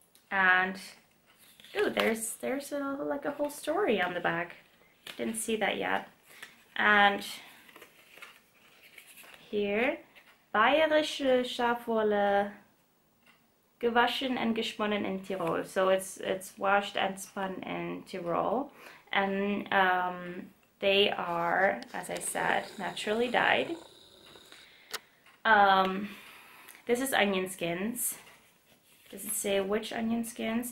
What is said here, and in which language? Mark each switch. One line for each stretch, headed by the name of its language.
English: And ooh, there's a, like a whole story on the back. Didn't see that yet. And here,
German: Bayerische Schafwolle, gewaschen und gesponnen in Tirol.
English: So it's washed and spun in Tirol. And they are, as I said, naturally dyed. This is onion skins. Does it say which onion skins?